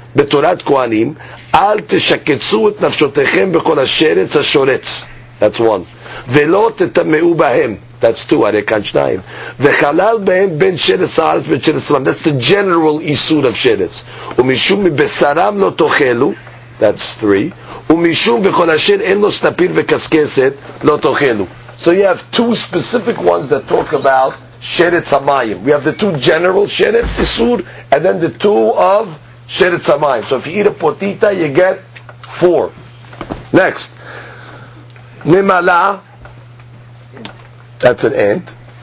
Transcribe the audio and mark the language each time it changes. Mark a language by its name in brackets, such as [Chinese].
[Hebrew] בתורת כהנים, אל תשקצו את נפשותיכם בכל השרץ השורץ. [English] That's one. [Hebrew] ולא תטמאו בהם. [English] That's two, [Hebrew] הרי כאן שניים. וחלל בהם בין שרץ הארץ ובין שרץ הארץ. [English] That's the general איסור of שרץ. [Hebrew] ומשום מבשרם לא תאכלו. [English] That's three. [Hebrew] ומשום וכל אשר אין לו סנפיר וקסקסת לא תאכלו. [English] So you have two specific ones that talk about שרץ המים. We have the two general שרץ איסור, and then the two of Sheretz Hamayim. So if you eat a potita, you get four. Next. Nimala. That's an ant.